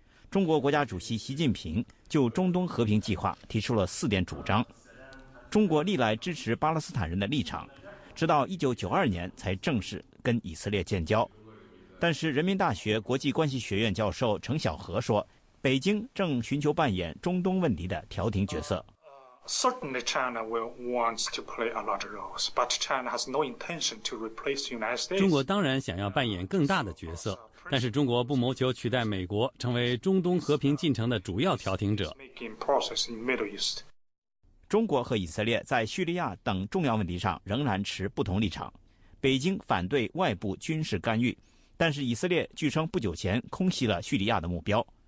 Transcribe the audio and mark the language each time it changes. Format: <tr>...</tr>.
<zh>中国国家主席习近平就中东和平计划提出了4点主张。中国历来支持巴勒斯坦人的立场，直到1992年才正式跟以色列建交。但是人民大学国际关系学院教授程晓和说，北京正寻求扮演中东问题的调停角色。</zh> <en>Certainly China will want to play a larger role, but China has no intention to replace the United States.</en> <zh>中国当然想要扮演更大的角色，但是中国不谋求取代美国成为中东和平进程的主要调停者。中国和以色列在叙利亚等重要问题上仍然持不同立场。北京反对外部军事干预，但是以色列据称不久前空袭了叙利亚的目标。</zh>